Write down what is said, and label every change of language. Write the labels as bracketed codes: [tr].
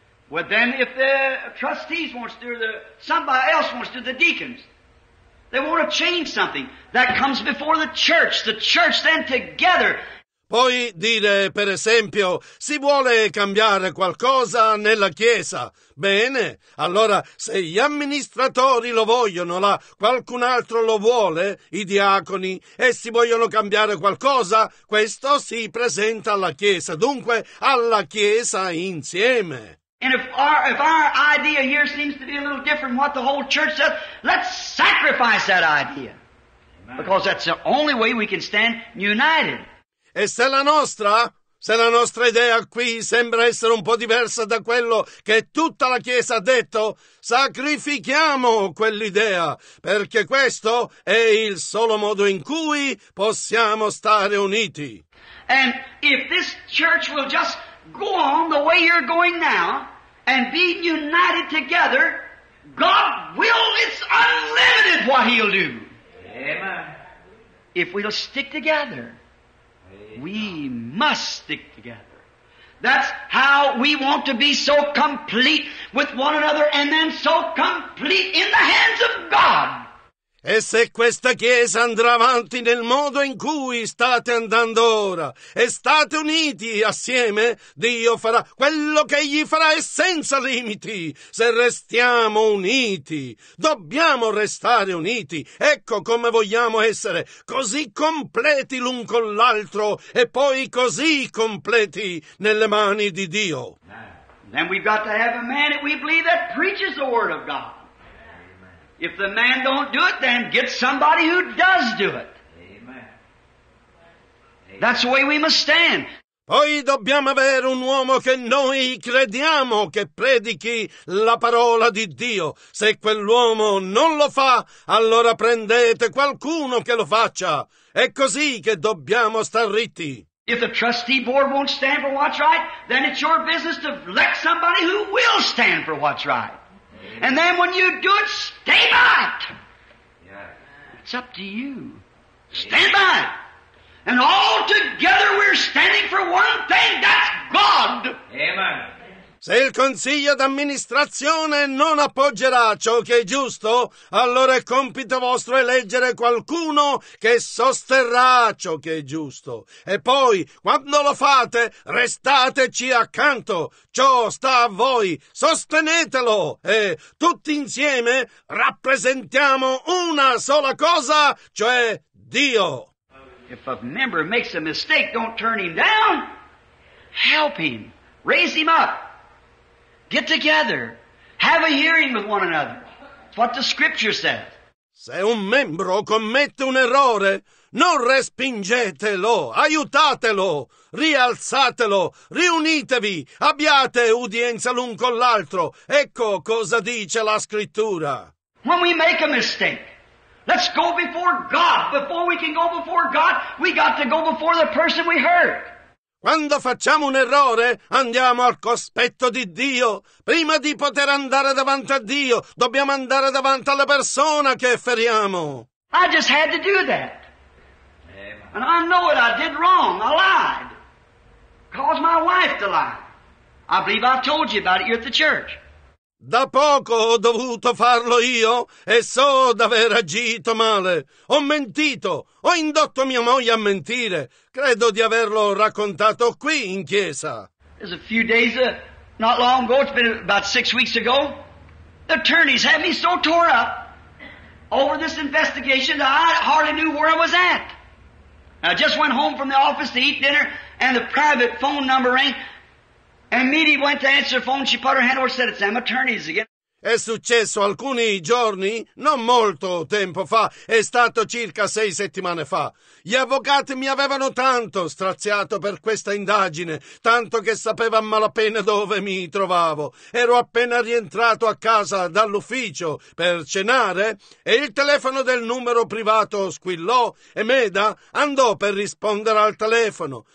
[en] Well, then, if the trustees wants to, or somebody else wants to, the deacons, they want to change something, that comes before the church then together. [it] Poi dire, per esempio, si vuole cambiare qualcosa nella Chiesa. Bene, allora se gli amministratori lo vogliono, là qualcun altro lo vuole, i diaconi, e si vogliono cambiare qualcosa, questo si presenta alla Chiesa, dunque alla Chiesa insieme. [en] And if our idea here seems to be a little different from what the whole church says, let's sacrifice that idea. Amen. Because that's the only way we can stand united. [it] E se la nostra... Se la nostra idea qui sembra essere un po' diversa da quello che tutta la Chiesa ha detto, sacrifichiamo quell'idea, perché questo è il solo modo in cui possiamo stare uniti. [en] And if this church will just go on the way you're going now and be united together, God will, it's unlimited what He'll do. Amen. If we'll stick together. We must stick together. That's how we want to be so complete with one another and then so complete in the hands of God. [it] E se questa chiesa andrà avanti nel modo in cui state andando ora e state uniti assieme, Dio farà quello che Egli farà e senza limiti. Se restiamo uniti, dobbiamo restare uniti. Ecco come vogliamo essere così completi l'un con l'altro e poi così completi nelle mani di Dio. [en] Then we've got to have a man that we believe that preaches the word of God. If the man don't do it, then get somebody who does do it. Amen. That's the way we must stand. [it] Poi dobbiamo avere un uomo che noi crediamo che predichi la parola di Dio. Se quell'uomo non lo fa, allora prendete qualcuno che lo faccia. È così che dobbiamo star ritti. [en] If the trustee board won't stand for what's right, then it's your business to elect somebody who will stand for what's right. And then when you do it, stay by it. Yeah. It's up to you. Stand by it. And all together we're standing for one thing, that's God. Amen. [it] Se il consiglio d'amministrazione non appoggerà ciò che è giusto, allora è compito vostro eleggere qualcuno che sosterrà ciò che è giusto. E poi, quando lo fate, restateci accanto. Ciò sta a voi. Sostenetelo. E tutti insieme rappresentiamo una sola cosa, cioè Dio. [en] If a member makes a mistake, don't turn him down. Help him. Raise him up. Get together. Have a hearing with one another. It's what the scripture says. [it] Se un membro commette un errore, non respingetelo, aiutatelo, rialzatelo, riunitevi, abbiate udienza l'un con l'altro. Ecco cosa dice la scrittura. [en] When we make a mistake, let's go before God. Before we can go before God, we got to go before the person we hurt. [it] Quando facciamo un errore, andiamo al cospetto di Dio. Prima di poter andare davanti a Dio, dobbiamo andare davanti alla persona che feriamo. [en] I just had to do that. And I know it, I did wrong, I lied. Caused my wife to lie. I believe I told you about it here at the church. [it] Da poco ho dovuto farlo io e so d'aver agito male. Ho mentito, ho indotto mia moglie a mentire. Credo di averlo raccontato qui in chiesa. [en] It's a few days, not long ago, it's been about 6 weeks ago, the attorneys had me so tore up over this investigation that I hardly knew where I was at. I just went home from the office to eat dinner and the private phone number rang. And Meady went to answer the phone, she put her hand over and said, it's them attorneys again. [it] È successo alcuni giorni, non molto tempo fa, è stato circa 6 settimane fa. Gli avvocati mi avevano tanto straziato per questa indagine, tanto che sapeva a malapena dove mi trovavo. Ero appena rientrato a casa dall'ufficio per cenare e il telefono del numero privato squillò e Meda andò per rispondere al telefono.